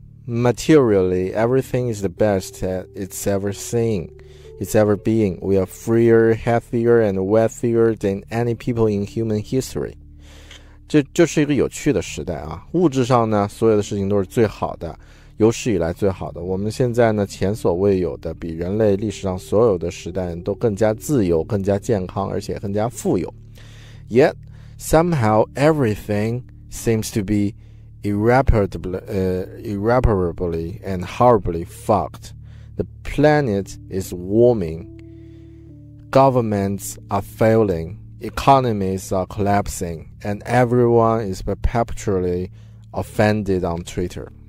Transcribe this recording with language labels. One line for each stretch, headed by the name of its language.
English: Materially, everything is the best that it's ever seen. It's ever been. We are freer, healthier, and wealthier than any people in human history.
Chinese: 就是一个有趣的时代啊，物质上呢所有的事情都是最好的，有史以来最好的，我们现在呢前所未有的，比人类历史上所有的时代都更加自由，更加健康，而且更加富有。
English: Yet somehow everything seems to be irreparably and horribly fucked. The planet is warming, governments are failingEconomies are collapsing, and everyone is perpetually offended on Twitter.